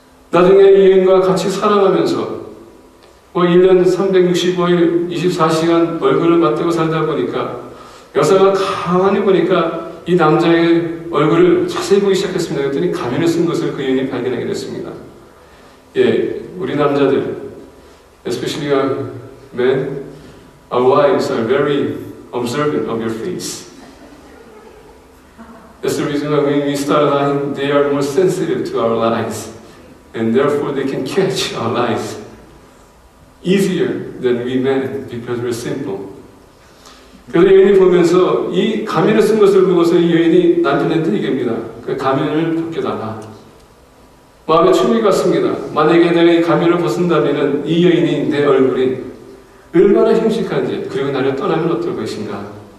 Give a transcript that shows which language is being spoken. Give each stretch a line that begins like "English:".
Korean: 나중에 이 여인과 같이 살아가면서 뭐 1년 365일 24시간 얼굴을 맞대고 살다 보니까 여사가 가만히 보니까 이 남자의 얼굴을 자세히 보기 시작했습니다. 그랬더니 가면을 쓴 것을 그 여인이 발견하게 됐습니다. 예, 우리 남자들,
English: especially young men, our wives are very observant of your face. That's the reason why when we start lying, they are more sensitive to our lies. And therefore, they can catch our lies easier than we men because we're simple.
Korean: 그래서 여인이 보면서 이 가면을 쓴 것을 보고서 이 여인이 남편한테 얘기합니다. 그 가면을 벗겨달라. 마음에 충격이 갔습니다. 만약에 내가 이 가면을 벗은다면 이 여인이 내 얼굴이 얼마나 흉식한지, 그리고 나를 떠나면 어떨 것인가.